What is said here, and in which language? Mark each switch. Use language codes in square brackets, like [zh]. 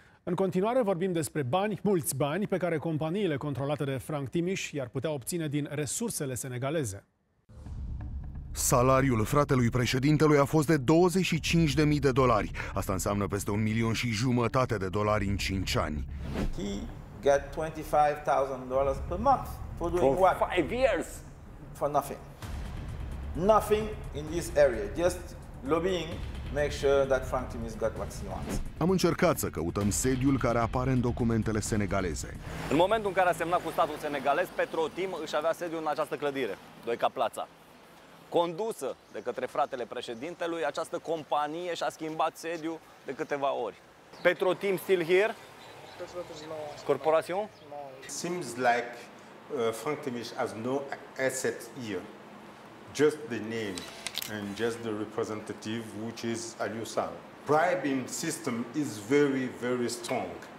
[ro] În continuare vorbim despre bani, mulți bani, pe care companiile controlate de Frank Timiș i-ar putea obține din resursele senegaleze. Salariul fratelui președintelui a fost de 25.000 de dolari. Asta înseamnă peste 1,5 milioane de dolari în 5 ani. [en] He got $25,000 per month for doing for what? For 5 years. For nothing. Nothing in this area, just lobbying. Make sure that Frank Timiș got what he wants. [ro] Am încercat să căutăm sediul care apare în documentele senegaleze. În momentul în care a semnat cu statul senegalez, Petrotim își avea sediul în această clădire, Doica Plața. Condusă de către fratele președintelui, această companie și-a schimbat sediul de câteva ori. [en] Petrotim still here? Corporation? Seems like Frank Timiș has no asset here. Just the name. And just the representative, which is Aliou Sall. Bribing system is very, very strong.